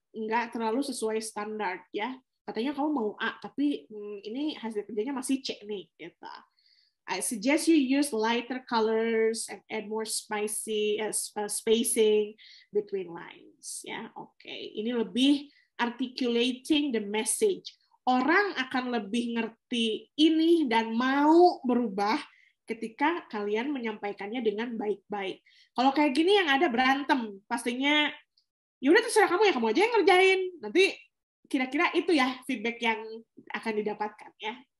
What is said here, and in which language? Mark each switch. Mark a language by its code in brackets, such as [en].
[id] Nggak terlalu sesuai standar, ya. Katanya kamu mau A, tapi ini hasil kerjanya masih C nih, gitu. [en] I suggest you use lighter colors and add more spicy spacing between lines. Ya, yeah, oke. Okay. [id] Ini lebih [en] articulating the message. [id] Orang akan lebih ngerti ini dan mau berubah ketika kalian menyampaikannya dengan baik-baik. Kalau kayak gini yang ada berantem, pastinya yaudah terserah kamu ya, kamu aja yang ngerjain. Nanti kira-kira itu ya feedback yang akan didapatkan ya.